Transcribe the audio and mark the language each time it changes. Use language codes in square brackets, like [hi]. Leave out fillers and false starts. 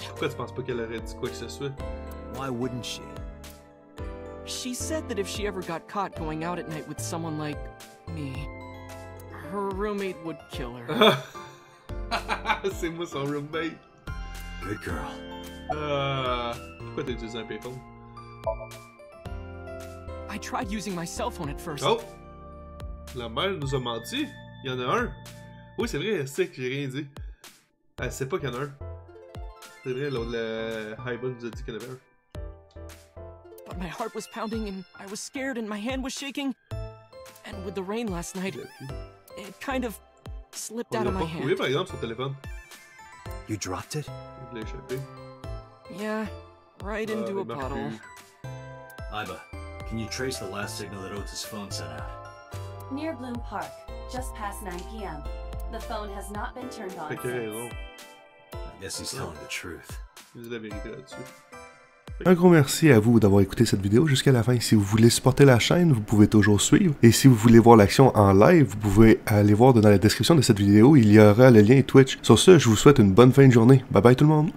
[fr] Pourquoi tu penses pas qu'elle aurait dit quoi que ce soit? [en] Why wouldn't she? She said that if she ever got caught going out at night with someone like me, her roommate would kill her. [fr] C'est moi son roommate. [en] Good girl. [fr] Pourquoi t'as utilisé un payphone? [en] I tried using my cell phone at first. [fr] Oh! La mère nous a menti? Il y en a un? Oui, c'est vrai, elle sait que j'ai rien dit. Elle sait pas qu'il y en a un. C'est vrai, le Hybun nous a dit qu'il y en avait un. [en] But my heart was pounding and I was scared and my hand was shaking. And with the rain last night, it kind of slipped out of my hand. [fr] On l'a pas trouvé, par exemple, son téléphone. [en] You dropped it? [fr] Il l'a échappé. [en] Yeah, right into a puddle. Iba. Can you trace the last signal that Ota's phone sent out? Near Bloom Park, just past 9 p.m. The phone has not been turned on since. Hello. I guess he's telling the truth. [fr] Un gros merci à vous d'avoir écouté cette vidéo jusqu'à la fin. Si vous voulez supporter la chaîne, vous pouvez toujours suivre. Et si vous voulez voir l'action en live, vous pouvez aller voir dans la description de cette vidéo. Il y aura le lien Twitch. Sur ce, je vous souhaite une bonne fin de journée. Bye bye tout le monde!